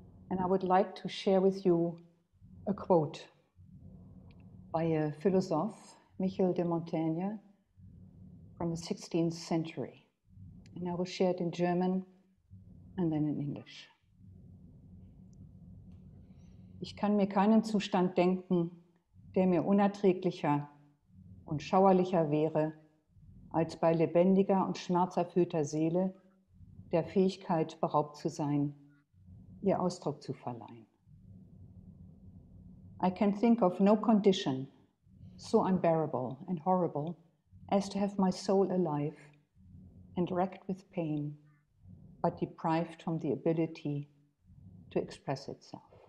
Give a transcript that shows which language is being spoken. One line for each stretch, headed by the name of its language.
English: And I would like to share with you a quote by a philosopher, Michel de Montaigne, from the 16th century. And I will share it in German and then in English.
German: Ich kann mir keinen Zustand denken, der mir unerträglicher und schauerlicher wäre, als bei lebendiger und schmerzerfüllter Seele der Fähigkeit beraubt zu sein, ihr Ausdruck zu verleihen.
English: I can think of no condition so unbearable and horrible as to have my soul alive and racked with pain, but deprived from the ability to express itself.